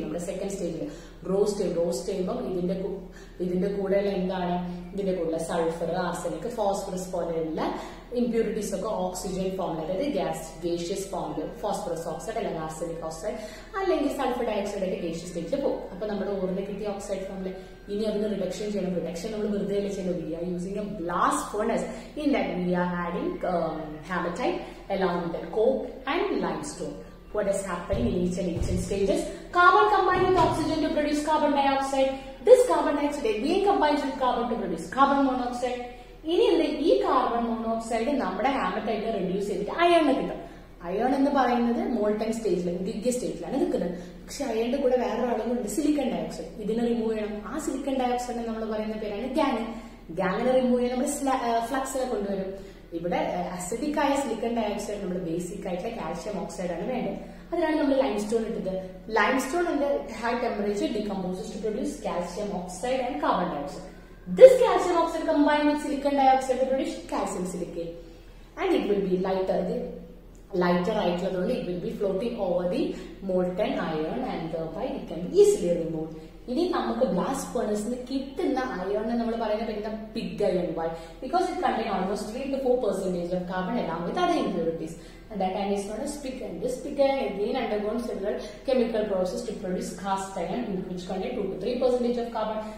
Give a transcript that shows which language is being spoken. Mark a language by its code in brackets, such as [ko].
[ml] നമ്മുടെ സെക്കൻഡ് സ്റ്റേജിൽ റോസ്റ്റ് ചെയ്യും. റോസ്റ്റ് ചെയ്യുമ്പോൾ ഇതിന്റെ കൂടെ എന്താണ്, ഇതിന്റെ കൂടെ സൾഫർ, ആർസെനിക്, ഫോസ്ഫറസ് പോലെയുള്ള ഇംപ്യൂരിറ്റീസ് ഒക്കെ ഓക്സിജൻ ഫോമിൽ, അതായത് ഗ്യാസ് ഗേഷ്യസ് ഫോമിൽ, ഫോസ്ഫറസ് ഓക്സൈഡ് അല്ലെങ്കിൽ ആർസെനിക് ഓക്സൈഡ് അല്ലെങ്കിൽ സൾഫർ ഡയോക്സൈഡ് ഒക്കെ ഗേഷ്യസ് സ്റ്റേജിൽ പോകും. അപ്പൊ നമ്മുടെ ഓറിന്റെ കിട്ടിയ ഓക്സൈഡ് ഫോമിൽ ഇനി അതിന് റിഡക്ഷൻ ചെയ്യണം. റിഡക്ഷൻ നമ്മൾ വെറുതെ ചെയ്യുന്നത് [en] We are using a blast furnace in that we are adding hematite along with coke and limestone. What is happening in each and each stages? Carbon combined with oxygen to produce carbon dioxide. This carbon dioxide being combined with carbon to produce carbon monoxide. [ml] ഇനി എന്ത്, ഈ carbon monoxide നമ്മുടെ haematite reduce ചെയ്തിട്ട് അയോണിന് കിട്ടും. Ion എന്ന് പറയുന്നത് molten സ്റ്റേജിലും ദിവ്യ സ്റ്റേജിലാണ് നിൽക്കുന്നത്. പക്ഷെ അയോണിന്റെ കൂടെ വേറെ ഒരാളുണ്ട്, സിലിക്കൺ ഡയോക്സൈഡ്. ഇതിനെ റിമൂവ് ചെയ്യണം. ആ സിലിക്കൺ ഡയോക്സൈഡിനെ നമ്മൾ പറയുന്ന പേരാണ് ഗ്യാങ്. ഗ്യാങ്ങിനെ റിമൂവ് ചെയ്യാൻ നമ്മൾ ഫ്ലക്സിനെ കൊണ്ടുവരും. ഇവിടെ അസിഡിക് ആയ സിലിക്കൺ ഡയോക്സൈഡ് നമ്മൾ ബേസിക് ആയിട്ടുള്ള കാൽഷ്യം ഓക്സൈഡ് ആണ് വേണ്ടത്. അതിനാണ് നമ്മൾ ലൈം സ്റ്റോൺ ഇട്ടത്. Lime സ്റ്റോണിന്റെ high temperature [en] Decomposes to produce calcium oxide and carbon dioxide. This calcium oxide combined with silicon dioxide to produce calcium silicate. And it will be lighter. It will be floating over the molten iron and thereby it can be easily removed. [ml] ഇനി നമുക്ക് blast ഫർണസിന് കിട്ടുന്ന അയോണിനെ നമ്മൾ പറയുന്ന പേര് pig ion. Y? [en] Because it contain almost 3-4% of carbon along with other impurities. That iron is known as pig iron. This pig iron again undergoes cellular chemical process to produce cast iron in which contain 2-3% of carbon.